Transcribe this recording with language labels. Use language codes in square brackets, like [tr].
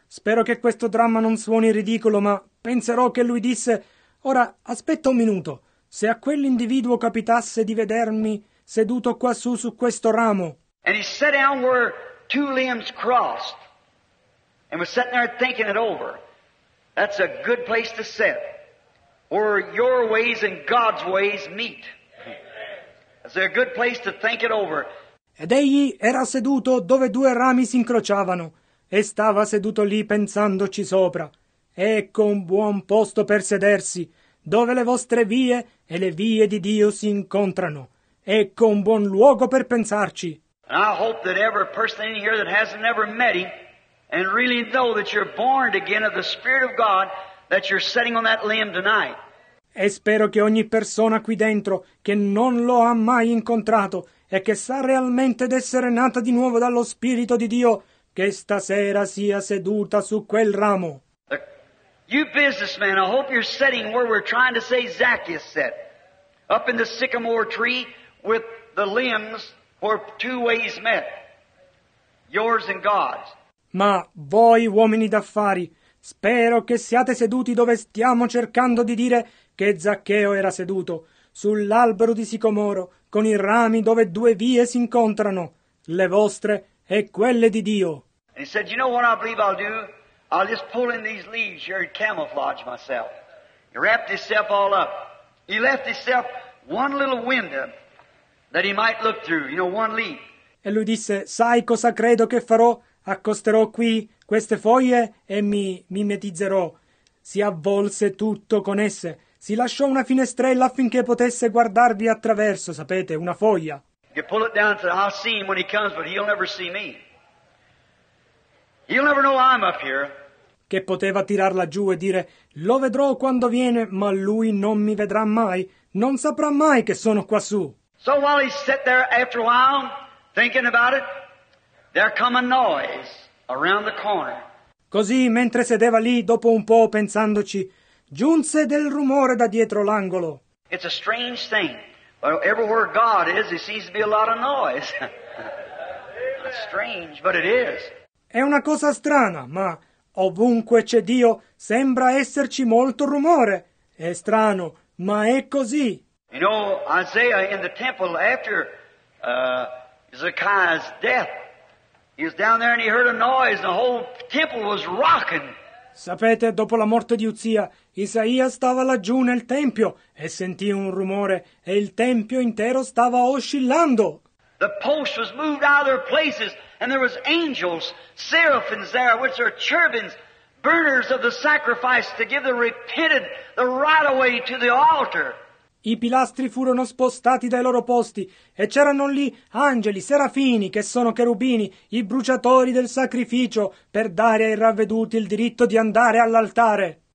[it] Spero che questo dramma non suoni ridicolo, ma penserò che lui disse, ora, aspetta un minuto, se a quell'individuo capitasse di vedermi seduto quassù su questo ramo. [en] And he sat down where two limbs crossed, and was sitting there thinking it over. That's a good place to sit, where your ways and God's ways meet. That's a good place to think it over. [it] Ed egli era seduto dove due rami si incrociavano e stava seduto lì pensandoci sopra. Ecco un buon posto per sedersi, dove le vostre vie e le vie di Dio si incontrano. Ecco un buon luogo per pensarci. [en] And I hope that every person in here that hasn't ever met him and really know that you're born again of the Spirit of God, that you're sitting on that limb tonight. [it] E spero che ogni persona qui dentro che non lo ha mai incontrato e che sa realmente d'essere nata di nuovo dallo Spirito di Dio, che stasera sia seduta su quel ramo. [en] You businessmen, I hope you're sitting where we're trying to say Zacchaeus sat, up in the sycamore tree with the limbs where two ways met, yours and God's. [it] Ma voi uomini d'affari, spero che siate seduti dove stiamo cercando di dire che Zaccheo era seduto, sull'albero di sicomoro, con i rami dove due vie si incontrano, le vostre e quelle di Dio. [en] And he said, you know what I believe I'll do? I'll just pull in these leaves here and camouflage myself. He wrapped himself all up. He left himself one little window that he might look through, you know, one leaf. [it] E lui disse, sai cosa credo che farò? Accosterò qui queste foglie e mi mimetizzerò. Si avvolse tutto con esse. Si lasciò una finestrella affinché potesse guardarvi attraverso, sapete, una foglia. [en] You pull it down and say, I'll see him when he comes, but he'll never see me. He'll never know I'm up here. [it] Che poteva tirarla giù e dire, lo vedrò quando viene, ma lui non mi vedrà mai. Non saprà mai che sono quassù. [en] So while he sat there after a while, thinking about it, there come a noise around the corner. [it] Così, mentre sedeva lì, dopo un po' pensandoci, giunse del rumore da dietro l'angolo. [en] It's a strange thing, but everywhere God is, there seems to be a lot of noise. Strange, but it is. [it] È una cosa strana, ma ovunque c'è Dio, sembra esserci molto rumore. È strano, ma è così. [en] You know, Isaiah in the temple after Zechariah's death, he was down there and he heard a noise and the whole temple was rocking. [it] Sapete, dopo la morte di Uzia, Isaia stava laggiù nel tempio e sentì un rumore e il tempio intero stava oscillando. [en] The posts was moved out of their places and there was angels, seraphims there, which are cherubims, burners of the sacrifice to give the repented the right away to the altar. [it] I pilastri furono spostati dai loro posti e c'erano lì angeli, serafini, che sono cherubini, i bruciatori del sacrificio, per dare ai ravveduti il diritto di andare all'altare.